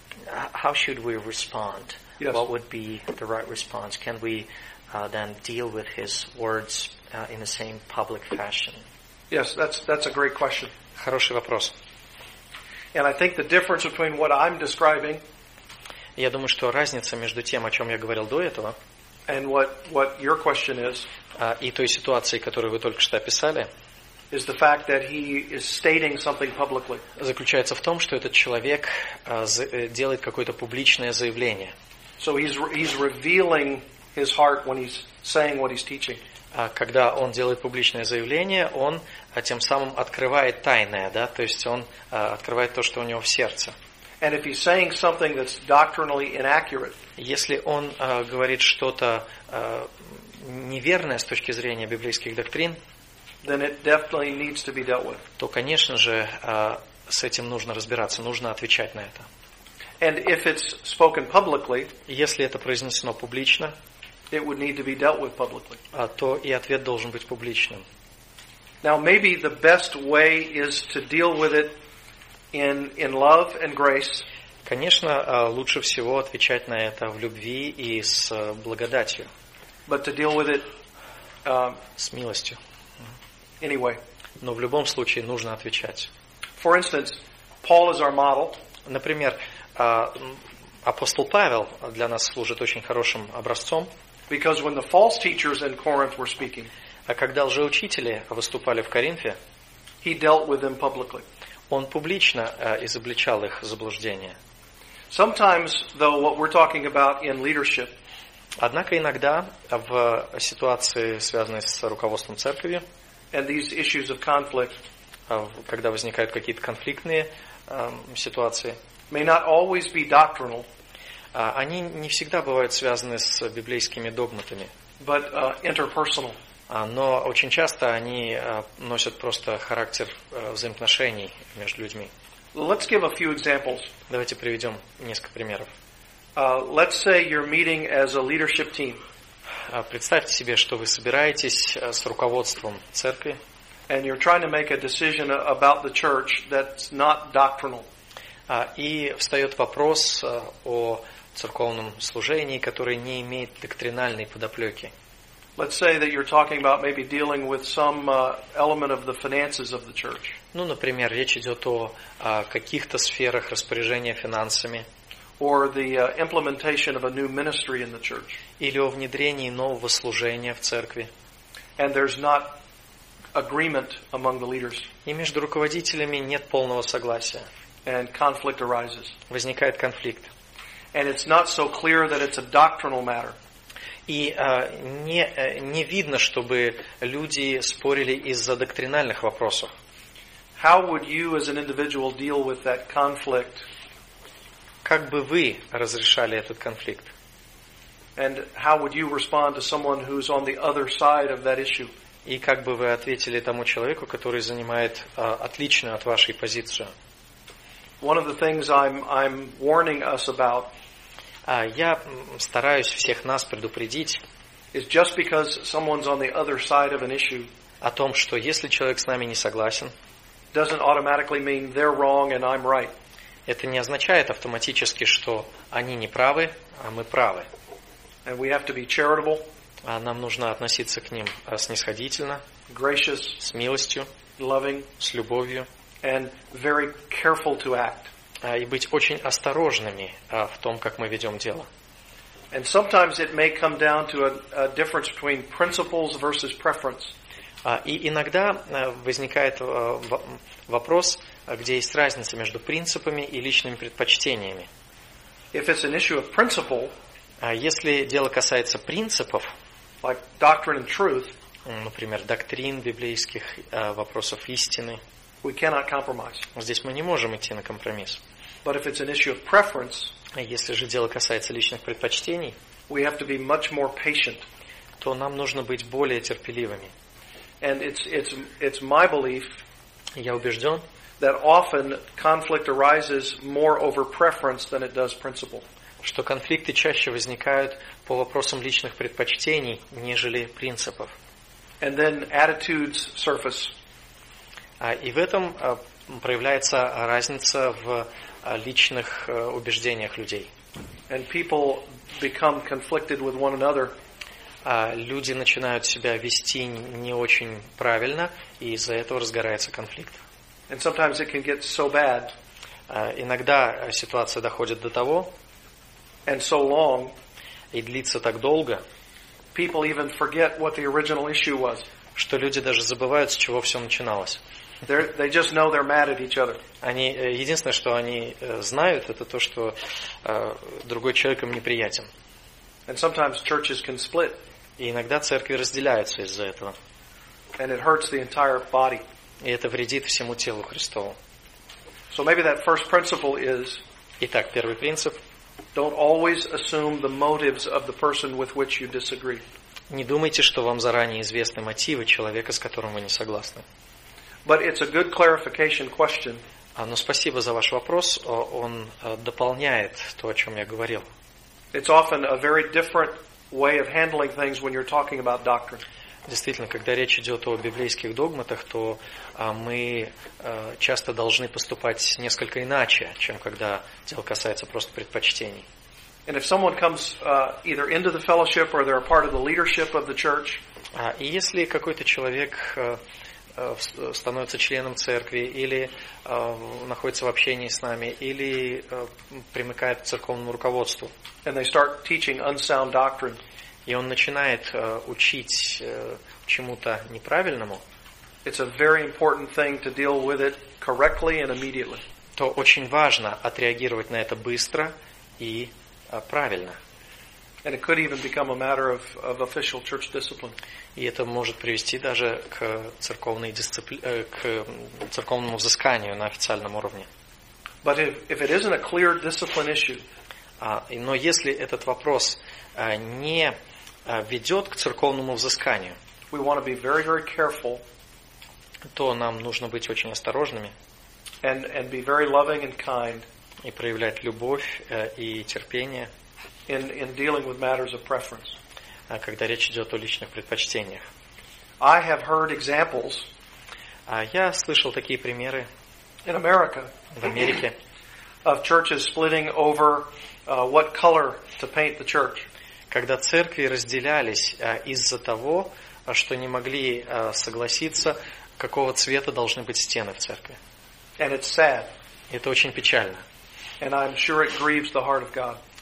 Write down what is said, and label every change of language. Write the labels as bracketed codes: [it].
[en] How should we respond? Yes. What would be the right response? Can we then deal with his words in the same public fashion? Yes, that's a great question. [ru] Хороший вопрос. [en] And I think the difference between what I'm describing, [ru] я думаю, что разница между тем, о чем я говорил до этого, [en] and what your question is, [ru] и той ситуацией, которую вы только что описали, [en] is the fact that he is stating something publicly. [ru] Заключается в том, что этот человек делает какое-то публичное заявление. [en] So he's revealing his heart when he's saying what he's teaching. [ru] Когда он делает публичное заявление, он тем самым открывает тайное, да, то есть он открывает то, что у него в сердце. [en] And if he's saying something that's doctrinally inaccurate, [ru] если он говорит что-то неверное с точки зрения библейских доктрин, [en] then it definitely needs to be dealt with. [ru] То, конечно же, с этим нужно разбираться, нужно отвечать на это. [en] And if it's spoken publicly, [ru] если это произнесено публично, [en] it would need to be dealt with publicly. [ru] То и ответ должен быть публичным. [en] Now, maybe the best way is to deal with it in love and grace. [ru] Конечно, лучше всего отвечать на это в любви и с благодатью. [en] But to deal with it, [ru] с милостью. [en] Anyway. [ru] Но в любом случае нужно отвечать. [en] For instance, Paul is our model. [ru] Например, апостол Павел для нас служит очень хорошим образцом. [en] Because when the false teachers in Corinth were speaking, [ru] а когда лжеучители выступали в Коринфе, [en] he dealt with them publicly. [ru] Он публично изобличал их заблуждение. [en] Sometimes, though, what we're talking about in leadership, [ru] однако иногда в ситуации, связанной с руководством церкви, [en] and these issues of conflict, [ru] когда возникают какие-то конфликтные ситуации, [en] may not always be doctrinal, [ru] они не всегда бывают связаны с библейскими догматами, [en] but interpersonal, [ru] но очень часто они носят просто характер взаимоотношений между людьми. [en] Let's give a few examples. [ru] Давайте приведем несколько примеров. [en] Let's say you're meeting as a leadership team. [ru] Представьте себе, что вы собираетесь с руководством церкви. [en] And you're trying to make a decision about the church that's not doctrinal. [ru] И встает вопрос о церковном служении, который не имеет доктринальной подоплеки. [en] Let's say that you're talking about maybe dealing with some element of the finances of the church. [ru] Ну, например, речь идет о каких-то сферах распоряжения финансами. [en] Or the implementation of a new ministry in the church. [ru] Или о внедрении нового служения в церкви. [en] And there's not agreement among the leaders. [ru] И между руководителями нет полного согласия. [en] And conflict arises. [ru] Возникает конфликт. [en] And it's not so clear that it's a doctrinal matter. [ru] И не видно, чтобы люди спорили из-за доктринальных вопросов. [en] How would you as an individual deal with that conflict? [ru] Как бы вы разрешали этот конфликт? [en] And how would you respond to someone who's on the other side of that issue? [ru] И как бы вы ответили тому человеку, который занимает отличную от вашей позицию? [en] One of the things I'm warning us about. [ru] Я стараюсь всех нас предупредить [en] just because someone's on the other side of an issue, [ru] о том, что если человек с нами не согласен, [en] doesn't automatically mean they're wrong and I'm right. [ru] Это не означает автоматически, что они не правы, а мы правы. [en] And we have to be charitable, [ru] а нам нужно относиться к ним снисходительно, [en] gracious, [ru] с милостью, [en] loving, [ru] с любовью, [en] and very careful to act. [ru] И быть очень осторожными в том, как мы ведем дело. [en] And sometimes it may come down to a difference between principles versus preference. [ru] И иногда возникает вопрос, где есть разница между принципами и личными предпочтениями. [en] If it's an issue of principle, [ru] если дело касается принципов, [en] like doctrine and truth, [ru] например, доктрин библейских, вопросов истины, [en] we cannot compromise. [ru] Здесь мы не можем идти на компромисс. [en] But if it's an issue of preference, [ru] если же дело касается личных предпочтений, [en] we have to be much more patient. [ru] То нам нужно быть более терпеливыми. [en] And it's my belief, [ru] я убежден, [en] that often conflict arises more over preference than it does principle. [ru] Что конфликты чаще возникают по вопросам личных предпочтений, нежели принципов. [en] And then attitudes surface. [ru] И в этом проявляется разница в личных убеждениях людей. [en] And people become conflicted with one another. [ru] Люди начинают себя вести не очень правильно, и из-за этого разгорается конфликт. [en] And sometimes it can get so bad. [ru] Иногда ситуация доходит до того, [en] and so long, [ru] и длится так долго, [en] people even forget what the original issue was. [ru] Что люди даже забывают, с чего все начиналось. [en] They just know they're mad at each other. [ru] Они единственное, что они знают, это то, что другой человек им неприятен. [en] And sometimes churches can split. [ru] И иногда церкви разделяются из-за этого. [en] And it hurts the entire body. [ru] И это вредит всему телу Христову. [en] So maybe that first principle is. [ru] Итак, первый принцип. [en] Don't always assume the motives of the person with which you disagree. [ru] Не думайте, что вам заранее известны мотивы человека, с которым вы не согласны. [en] But it's a good clarification question. [ru] Но спасибо за ваш вопрос. Он дополняет то, о чем я говорил. [en] It's often a very different way of handling things when you're talking about doctrine. [ru] Действительно, когда речь идет о библейских догматах, то мы часто должны поступать несколько иначе, чем когда дело касается просто предпочтений. [en] And if someone comes either into the fellowship or they're a part of the leadership of the church, [ru] и если какой-то человек становится членом церкви или находится в общении с нами или примыкает к церковному руководству, [en] and they start teaching unsound doctrine, [ru] и он начинает учить чему-то неправильному, [en] it's a very important thing to deal with it correctly and immediately. [ru] То очень важно отреагировать на это быстро и правильно. [en] And it could even become a matter of official church discipline. [ru] И это может привести даже к церковной к церковному взысканию на официальном уровне. [en] But if it isn't a clear discipline issue, [ru] но если этот вопрос не ведет к церковному взысканию, [en] we want to be very, very careful, [ru] то нам нужно быть очень осторожными [en] and be very loving and kind, [ru] и проявлять любовь и терпение [en] in dealing with matters of preference. [ru] Когда речь идет о личных предпочтениях. [en] I have heard examples, [ru] я слышал такие примеры [en] in America, [ru] в Америке, [en] of churches splitting over what color to paint the church. [ru] Когда церкви разделялись из-за того, что не могли согласиться, какого цвета должны быть стены в церкви. [en] And it's sad. [ru] Это очень печально. [en] And I'm sure it grieves the heart of God.